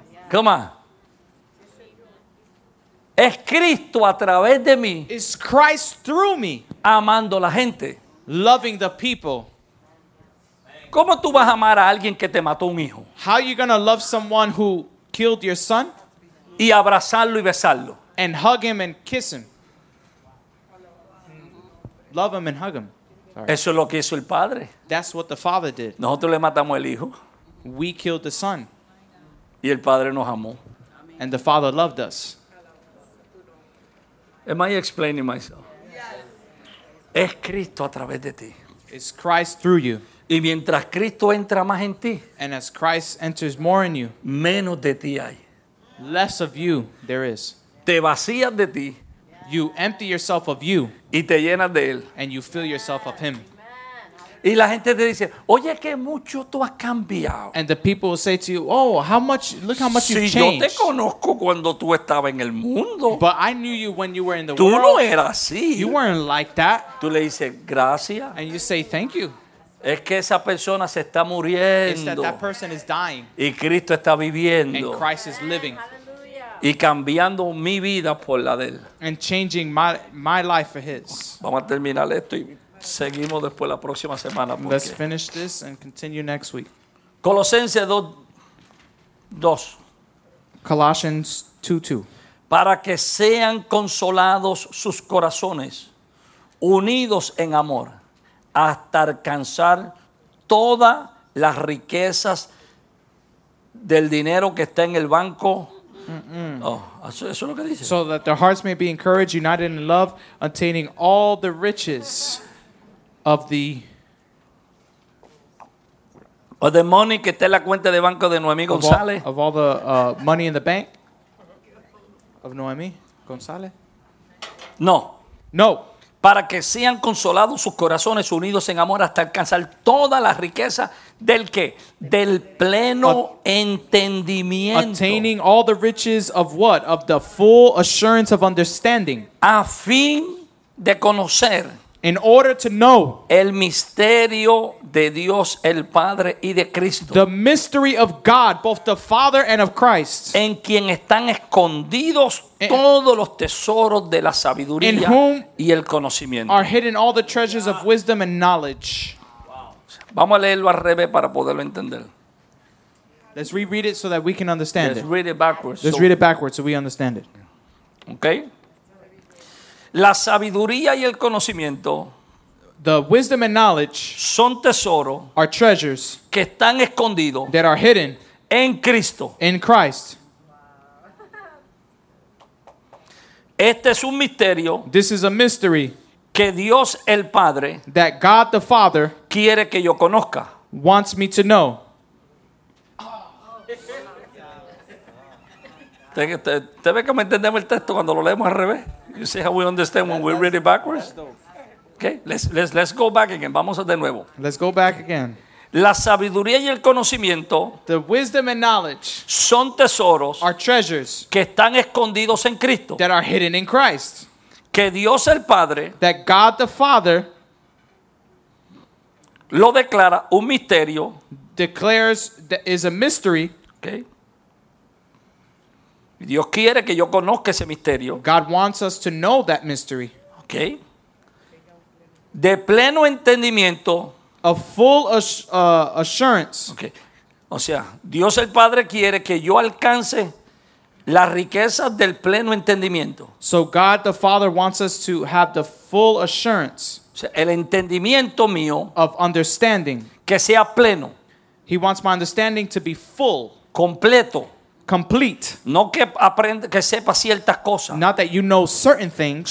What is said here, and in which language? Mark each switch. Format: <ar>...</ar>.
<en>Come on,</en> <es>es Cristo a través de mí.</es> <en>It's Christ through me,</en> <es>amando la gente,</es> <en>loving the people.</en> <es>¿Cómo tú vas a amar a alguien que te mató un hijo?</es> <en>How are you gonna love someone who killed your son?</en> <es>Y abrazarlo y besarlo,</es> <en>and hug him and kiss him. Love him and hug him. Sorry.</en> <es>Eso es lo que hizo el padre.</es> <en>That's what the father did.</en> <es>Nosotros le matamos el hijo.</es> <en>We killed the son.</en> <es>Y el padre nos amó.</es> <en>And the father loved us. Am I explaining myself? Yes.</en> <es>Es Cristo a través de ti.</es> <en>It's Christ through you.</en> <es>Y mientras Cristo entra más en ti,</es> <en>and as Christ enters more in you,</en> <es>menos de ti hay.</es> <en>Less of you there is.</en> <es>Te vacías de ti.</es> <en>You empty yourself of you.</en> <es>Y te llenas de él.</es> <en>And you fill yourself of him.</en> <es>Y la gente te dice, oye, que mucho tú has cambiado.</es> <en>And the people will say to you, oh, how much, look how much</en> <es>si</es> <en>you've changed.</en> <es>Yo te conozco cuando tú estabas en el mundo.</es> <en>But I knew you when you were in the</en> <es>tú</es> <en>world.</en> <es>No eras así.</es> <en>You weren't like that.</en> <es>Tú le dices, gracias.</es> <en>And you say, thank you.</en> <es>Es que esa persona se está muriendo.</es> <en>It's that that person is dying.</en> <es>Y Cristo está viviendo.</es> <en>And Christ is living.</en> <es>Y cambiando mi vida por la de él.</es> <en>And changing my life for his.</en> <es>Vamos a terminar esto y seguimos después la próxima semana. Porque...</es> <en>Let's finish this and continue next week.</en> <es>Colosenses 2:2.</es> <en>Colossians 2:2.</en> <es>Para que sean consolados sus corazones, unidos en amor, hasta alcanzar todas las riquezas del dinero que está en el banco.</es> <en>So that their hearts may be encouraged, united in love, attaining all the riches of the</en> <es>money que está en la cuenta de banco de Noemí González.</es> <en>Of all the money in the bank of Noemí González.</en> <es>No.</es> <en>No.</en> <es>Para que sean consolados sus corazones unidos en amor hasta alcanzar toda la riqueza del qué? Del pleno entendimiento.</es> <en>Attaining all the riches of what? Of the full assurance of understanding.</en> <es>A fin de conocer.</es> <en>In order to know.</en> <es>El misterio de Dios el Padre y de Cristo.</es> <en>The mystery of God, both the Father and of Christ.</en> <es>En quien están escondidos todos los tesoros de la sabiduría y el conocimiento.</es> <en>Are hidden all the treasures of wisdom and knowledge.</en> <es>Vamos a leerlo al revés para poderlo entender.</es> <en>Let's reread it so that we can understand it. Let's read it backwards. Let's read it backwards so we understand it.</en> <es>Okay. La sabiduría y el conocimiento,</es> <en>the wisdom and knowledge,</en> <es>son tesoros,</es> <en>are treasures,</en> <es>que están escondidos,</es> <en>that are hidden,</en> <es>en Cristo,</es> <en>in Christ.</en> <es>Este es un misterio,</es> <en>this is a mystery,</en> <es>que Dios el Padre,</es> <en>that God the Father,</en> <es>quiere que yo conozca,</es> <en>wants me to know.</en> <es>¿Usted ve cómo entendemos el texto cuando lo leemos al revés?</es> <en>You see how we understand when we read it backwards? Okay, let's go back again.</en> <es>Vamos de nuevo.</es> <en>Let's go back again.</en> <es>La sabiduría y el conocimiento,</es> <en>the wisdom and knowledge,</en> <es>son tesoros,</es> <en>are treasures,</en> <es>que están escondidos en Cristo,</es> <en>that are hidden in Christ,</en> <es>que Dios el Padre,</es> <en>that God the Father,</en> <es>lo declara un misterio,</es> <en>declares that is a mystery. Okay.</en> <es>Dios quiere que yo conozca ese misterio.</es> <en>God wants us to know that mystery.</en> <es>Okay. De pleno entendimiento.</es> <en>A full assurance. Okay.</en> <es>O sea, Dios el Padre quiere que yo alcance la riqueza del pleno entendimiento.</es> <en>So God the Father wants us to have the full assurance.</en> <es>O sea, el entendimiento mío.</es> <en>Of understanding.</en> <es>Que sea pleno.</es> <en>He wants my understanding to be full.</en> <es>Completo.</es> <en>Complete.</en> <es>No que aprende, que sepa ciertas cosas.</es> <en>Not that you know certain things.</en>